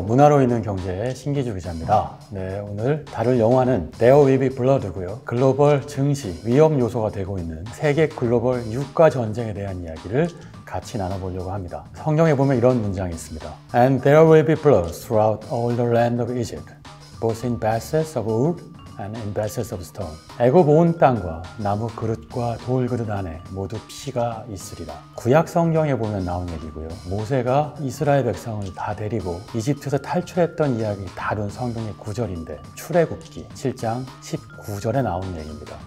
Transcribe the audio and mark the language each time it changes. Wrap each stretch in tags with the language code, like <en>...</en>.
<ko>문화로 있는 경제의 신기주 기자입니다. 네, 오늘 다룰 영화는 There Will Be Blood고요. 글로벌 증시 위험 요소가 되고 있는 세계 글로벌 유가 전쟁에 대한 이야기를 같이 나눠보려고 합니다. 성경에 보면 이런 문장이 있습니다.</ko> <en>And there will be blood throughout all the land of Egypt, both in vessels of wood and in vessels of stone.</en> <ko>애굽 온 땅과 나무 그릇과 돌 그릇 안에 모두 피가 있으리라. 구약 성경에 보면 나온 얘기고요. 모세가 이스라엘 백성을 다 데리고 이집트에서 탈출했던 이야기를 다룬 성경의 구절인데 출애굽기 7장 19절에 나온 얘기입니다.</ko>